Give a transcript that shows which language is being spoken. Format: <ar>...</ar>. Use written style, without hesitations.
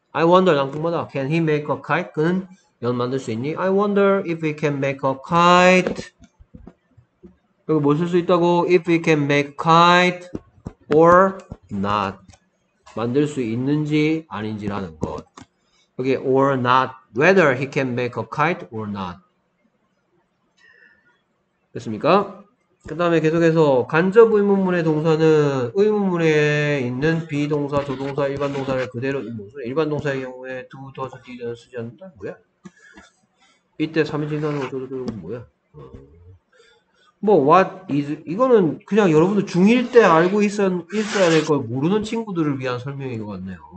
<en>I wonder 낭독마다 can he make a kite?</en> <ko>그는 연 만들 수 있니?</ko> <en>I wonder if we can make a kite.</en> <ko>여기 뭘쓸수 있다고?</ko> <en>If we can make kite or not.</en> <ko>만들 수 있는지 아닌지라는 것. 여기 or not.</ko> <en>Whether he can make a kite or not.</en> <ko>됐습니까? 그 다음에 계속해서 간접 의문문의 동사는 의문문에 있는 비동사, 조동사, 일반동사를 그대로 일반동사의 경우에 do, does, did 쓰지 않는다? 뭐야? 이때 3인칭단어 어쩌고 저쩌고 뭐야? 뭐 what is 이거는 그냥 여러분들 중1 때 알고 있어야 될걸 모르는 친구들을 위한 설명인 것 같네요.</ko>